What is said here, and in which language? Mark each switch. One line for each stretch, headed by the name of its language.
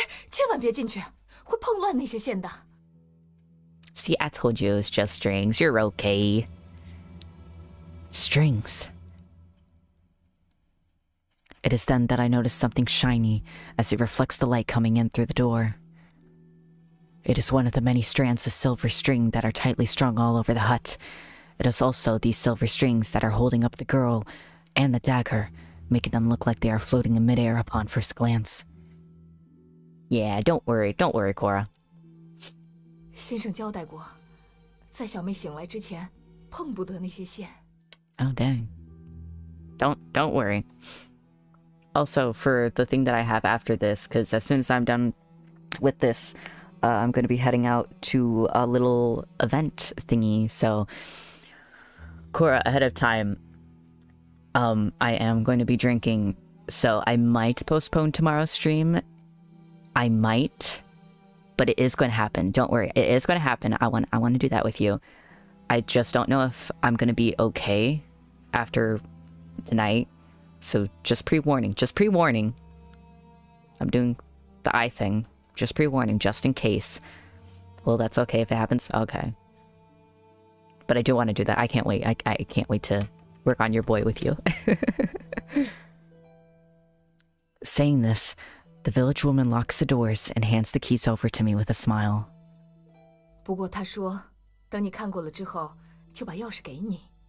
Chinese: 千万别进去，会碰乱那些线的。
English: See, I told you it was just strings. You're okay. Strings. It is then that I notice something shiny as it reflects the light coming in through the door. It is one of the many strands of silver string that are tightly strung all over the hut. It is also these silver strings that are holding up the girl and the dagger, making them look like they are floating in midair upon first glance. Yeah, don't worry, Koro.
Chinese: 先生交代过，在小妹醒来之前，碰不得那些线。
English: Oh dang. Don't worry. Also, for the thing that I have after this, because as soon as I'm done with this, I'm going to be heading out to a little event thingy. So, Koro, ahead of time, I am going to be drinking, so I might postpone tomorrow's stream. I might. But it is going to happen. Don't worry. It is going to happen. I want to do that with you. I just don't know if I'm going to be okay after tonight. So just pre-warning. I'm doing the eye thing. Just pre-warning, just in case. Well, that's okay if it happens. Okay. But I do want to do that. I can't wait. I can't wait to work on your boy with you. Saying this... The village woman locks the doors and hands the keys over to me with a smile.
Chinese: 不过她说，等你看过了之后，就把钥匙给你。